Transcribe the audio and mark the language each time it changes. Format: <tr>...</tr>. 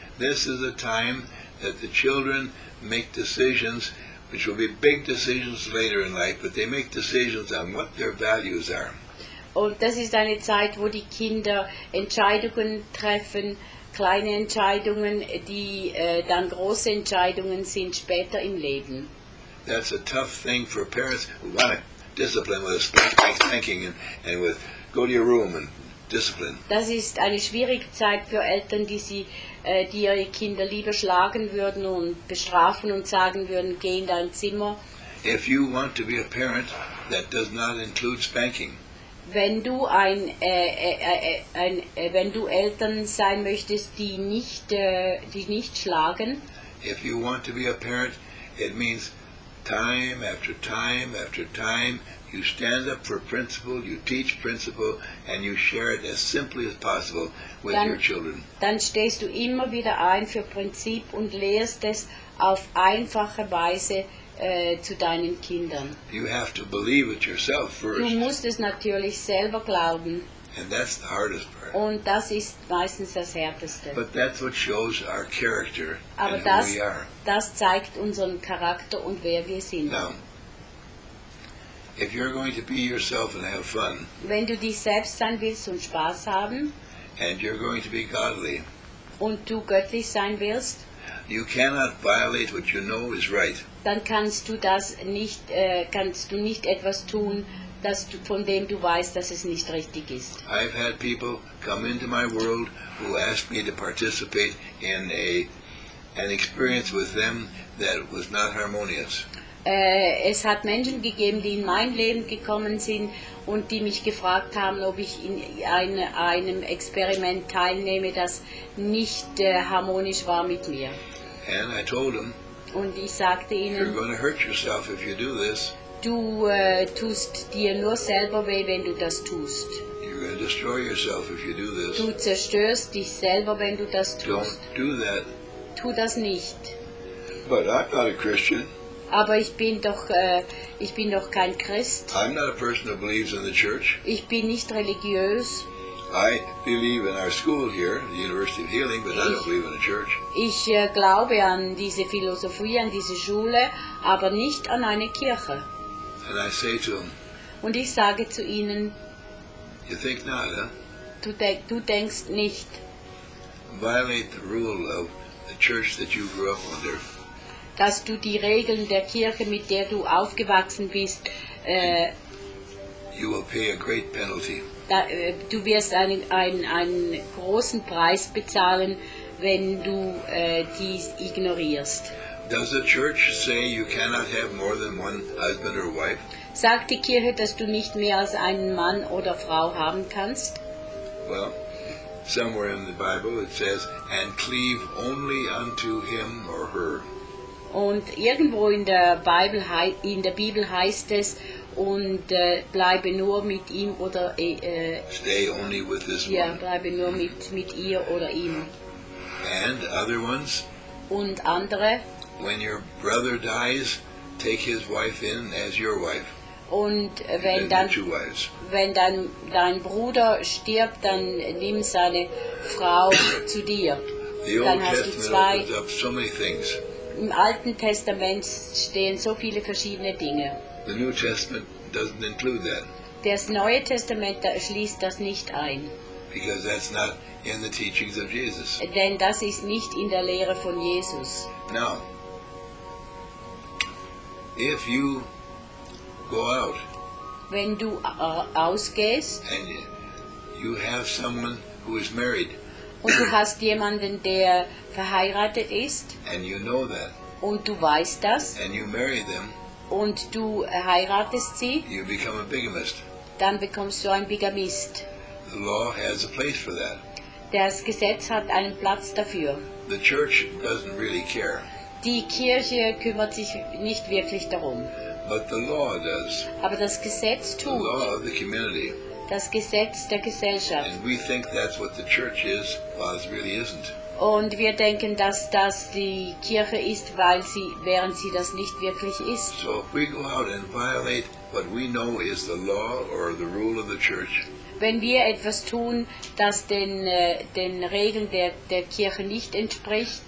<en>This is a time that the children make decisions, which will be big decisions later in life, but they make decisions on what their values are.</en> <de>Und das ist eine Zeit, wo die Kinder Entscheidungen treffen, kleine Entscheidungen, die dann große Entscheidungen sind später im Leben.</de> <en>That's a tough thing for parents who want to discipline with strict thinking and with go to your room and discipline.</en> <de>Das ist eine schwierige Zeit für Eltern, die ihre Kinder lieber schlagen würden und bestrafen und sagen würden, geh in dein Zimmer.</de> <en>If you want to be a parent that does not include spanking.</en> <de>Wenn du Eltern sein möchtest, die nicht schlagen.</de> <en>If you want to be a parent, it means time after time after time you stand up for principle, you teach principle and you share it as simply as possible with your children.</en> <de>Dann stehst du immer wieder ein für Prinzip und lehrst es auf einfache Weise zu deinen Kindern.</de> <en>You have to believe it yourself first.</en> <de>Du musst es natürlich selber glauben.</de> <en>And that's the hardest part.</en> <de>Und das ist meistens das Härteste.</de> <en>But that's what shows our character</en> <de>Aber</de> <en>and</en> <de>das,</de> <en>who we are.</en> <de>Das zeigt unseren Charakter und wer wir sind.</de> <en>Now, if you're going to be yourself and have fun,</en> <de>wenn du dich selbst sein willst und Spaß haben,</de> <en>and you're going to be godly,</en> <de>und du göttlich sein willst,</de> <en>you cannot violate what you know is right.</en> <de>Dann kannst du das nicht, kannst du nicht etwas tun, das du, von dem du weißt, dass es nicht richtig ist.</de> <en>I've had people come into my world who asked me to participate in an experience with them that was not harmonious.</en> <de>Es hat Menschen gegeben, die in mein Leben gekommen sind und die mich gefragt haben, ob ich in einem Experiment teilnehme, das nicht harmonisch war mit mir.</de> <en>And I told them,</en> <de>und ich sagte ihnen,</de> <en>you're going to hurt yourself if you do this.</en> <de>Du tust dir nur selber weh, wenn du das tust.</de> <en>You're going to destroy yourself if you do this.</en> <de>Du zerstörst dich selber, wenn du das tust.</de> <en>Don't do that.</en> <de>Tu das nicht.</de> <en>But I'm not a Christian.</en> <de>Aber ich bin doch kein Christ.</de> <en>I'm not a person who believes in the church.</en> <de>Ich bin nicht religiös.</de> <en>I believe in our school here, the University of Healing, but I don't believe in a church.</en> <de>Ich glaube an diese Philosophie, an diese Schule, aber nicht an eine Kirche.</de> <en>And I say to them,</en> <de>und ich sage zu ihnen,</de> <en>you think not, huh?</en> <de>Du denkst nicht.</de> <en>Violate the rule of the church that you grew up under.</en> <de>Dass du die Regeln der Kirche, mit der du aufgewachsen bist,</de> <en>you will pay a great penalty.</en> <de>Du wirst einen großen Preis bezahlen, wenn du dies ignorierst.</de> <en>Does the church say you cannot have more than one husband or wife?</en> <de>Sagt die Kirche, dass du nicht mehr als einen Mann oder Frau haben kannst?</de> <en>Well, somewhere in the Bible it says, and cleave only unto him or her.</en> <de>Und irgendwo in der Bibel heißt es, und bleibe nur mit ihm oder</de> <en>stay only with this</en> <de>ja,</de> <en>one.</en> <de>Bleibe nur mit ihr oder ihm.</de> <en>And other ones?</en> <de>Und andere?</de> <en>When your brother dies, take his wife in as your wife.</en> <de>Und wenn dann</de> <en>two wives.</en> <de>Wenn dein Bruder stirbt, dann nimm seine Frau zu dir.</de> <en>The</en> <de>dann</de> <en>Old</en> <de>hast</de> <en>Testament</en> <de>du zwei.</de> <en>Opens up so many things.</en> <de>Im Alten Testament stehen so viele verschiedene Dinge.</de> <en>The New Testament doesn't include that.</en> <de>Das Neue Testament schließt das nicht ein.</de> <en>Because that's not in the teachings of Jesus.</en> <de>Denn das ist nicht in der Lehre von Jesus.</de> <en>Now, if you go out,</en> <de>wenn du ausgehst,</de> <en>and you have someone who is married,</en> <de>und du hast jemanden, der verheiratet ist,</de> <en>and you know that,</en> <de>und du weißt das,</de> <en>and you marry them,</en> <de>und du heiratest sie,</de> <en>you become a bigamist.</en> <de>Dann bekommst du ein Bigamist.</de> <en>The law has a place for that.</en> <de>Das Gesetz hat einen Platz dafür.</de> <en>The church doesn't really care.</en> <de>Die Kirche kümmert sich nicht wirklich darum.</de> <en>But the law does.</en> <de>Aber das Gesetz tut.</de> <en>The law of the community.</en> <de>das Gesetz der Gesellschaft.</de> <en>And we think that's what the church is, while it really isn't.</en> <de>Und wir denken, dass das die Kirche ist, weil sie, während sie das nicht wirklich ist.</de> <en>So if we go out and violate what we know is the law or the rule of the church.</en> <de>Wenn wir etwas tun, das den, den Regeln der, der Kirche nicht entspricht,</de>